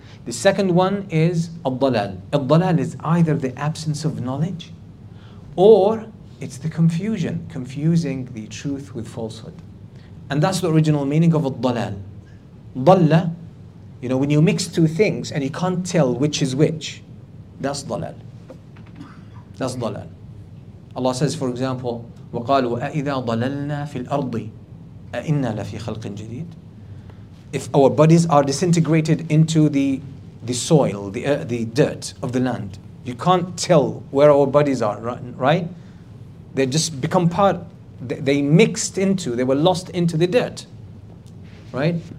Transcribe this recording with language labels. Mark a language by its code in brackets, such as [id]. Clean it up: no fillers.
[en] The second one is al-dalal. Al-dalal is either the absence of knowledge or it's the confusion, confusing the truth with falsehood. And that's the original meaning of al-dalal. Dalla, you know, when you mix two things and you can't tell which is which, that's dalal. That's dalal. Allah says, for example, [ar] وَقَالُوا وَأَإِذَا ضَلَلْنَا فِي الْأَرْضِ أَإِنَّا لَفِي خَلْقٍ جَدِيدٍ. [en] If our bodies are disintegrated into the soil, the dirt of the land, you can't tell where our bodies are, right? They just become part, they mixed into, they were lost into the dirt, right?